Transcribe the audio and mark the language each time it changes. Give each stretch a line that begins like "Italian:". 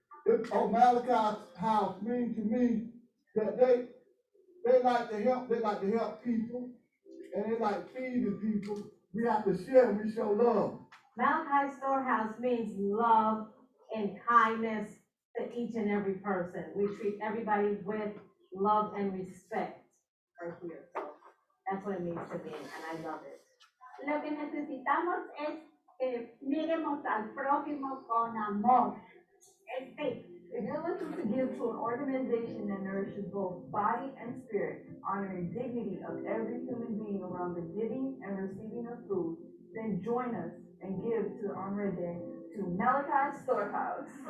English: It, oh, Malachi's House means to me that they like to help people, and they like feeding people. We have to share, we show love. Malachi's Storehouse means love and kindness to each and every person. We treat everybody with love and respect right here. That's what it means to me, and I love it.
Spanish: Lo que necesitamos es que miremos al prójimo con amor.
English: If you're looking to give to an organization that nourishes both body and spirit, honoring dignity of every human being around the giving and receiving of food, then join us and give to Honor a Day to Malachi's Storehouse.